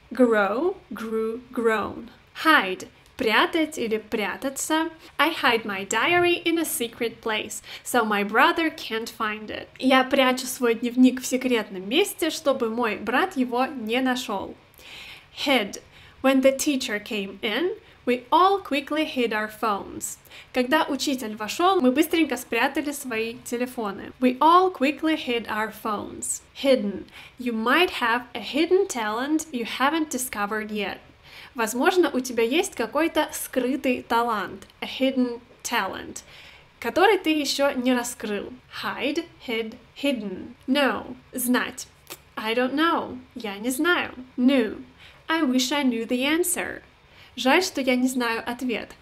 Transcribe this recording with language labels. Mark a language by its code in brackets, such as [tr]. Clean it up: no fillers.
[en] Grow, grew, grown. [ru] Hide – прятать или прятаться. [en] I hide my diary in a secret place, so my brother can't find it. [ru] Я прячу свой дневник в секретном месте, чтобы мой брат его не нашел. [en] Hid – when the teacher came in, we all quickly hid our phones. [ru] Когда учитель вошел, мы быстренько спрятали свои телефоны. [en] We all quickly hid our phones. Hidden. You might have a hidden talent you haven't discovered yet. [ru] Возможно, у тебя есть какой-то скрытый талант. [en] A hidden talent, [ru] который ты еще не раскрыл. [en] Hide, hid, hidden. Know. [ru] Знать. [en] I don't know. [ru] Я не знаю. [en] Knew. I wish I knew the answer. [ru] Жаль, что я не знаю ответ.